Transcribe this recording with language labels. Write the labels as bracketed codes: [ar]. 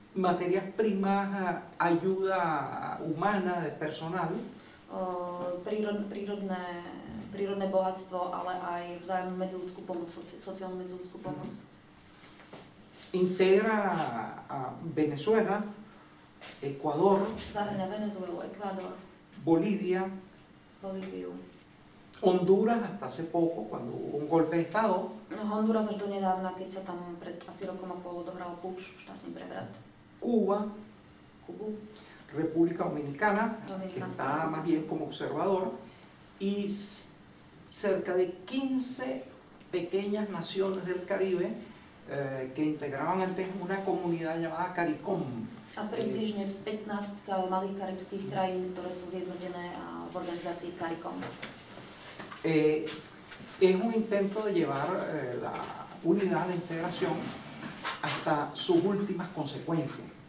[es] materias primas, ayuda humana de personal, [sk] prírodné bohatstvo, ale aj vzájomnú medziľudskú pomoc, sociálnu medziľudskú pomoc. [es] Integra a Venezuela, Ecuador, [sk] zahŕňa Venezuelu, Ecuador, [es] Bolívia, [sk] Bolíviu, [es] Honduras hasta hace poco, cuando hubo un golpe de estado. [sk] No, Honduras až do nedávna, keď sa tam pred asi rokom a pol odohral puč, štátny prevrat. [es] Cuba. [sk] Kubu. [es] República Dominicana, que está más bien como observador, y cerca de 15 pequeñas naciones del Caribe que integraban antes una comunidad llamada CARICOM. [sk] A približne 15 malých karibských krajín, ktoré sú zjednotené v organizácii CARICOM. [es] Es un intento de llevar la unidad de integración hasta sus últimas consecuencias.